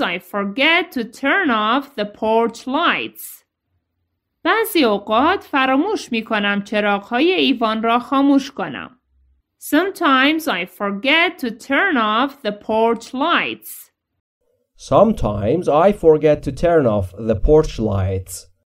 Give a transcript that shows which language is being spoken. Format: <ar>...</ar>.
<en>I forget to turn off the porch lights.</en> <fa>بعضی اوقات فراموش می کنم چراغ های ایوان را خاموش کنم.</fa> <en>Sometimes I forget to turn off the porch lights.</en>